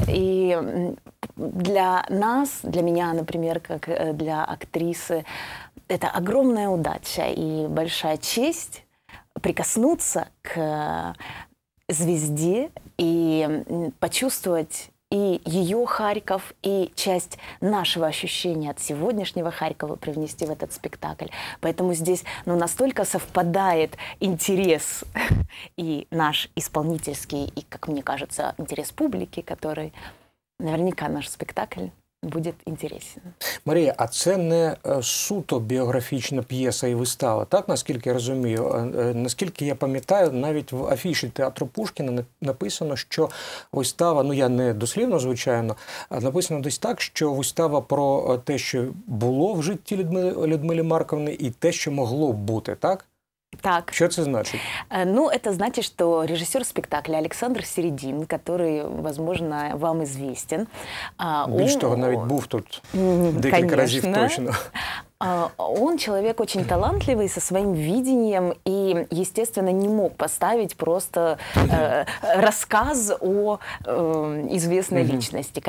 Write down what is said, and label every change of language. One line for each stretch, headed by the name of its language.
Russian: И для нас, для меня, например, как для актрисы, это огромная удача и большая честь прикоснуться к звезде и почувствовать и ее Харьков, и часть нашего ощущения от сегодняшнего Харькова привнести в этот спектакль. Поэтому здесь настолько совпадает интерес и наш исполнительский, и, как мне кажется, интерес публики, который наверняка наш спектакль буде цікаво.
Ukrainian: Марія, а це не суто біографічна п'єса і вистава, так, наскільки я розумію? Наскільки я пам'ятаю, навіть в афіші театру Пушкіна написано, що вистава, я не дослівно, звичайно, написано десь так, що вистава про те, що було в житті Людмили Марковни, і те, що могло бути, так? Так.
Russian: Что это значит? Это значит, что режиссер спектакля Александр Середин, который, возможно, вам известен. Больше того, наверное, был тут несколько раз точно. Он человек очень талантливый, со своим видением, и, естественно, не мог поставить просто рассказ о известной личности.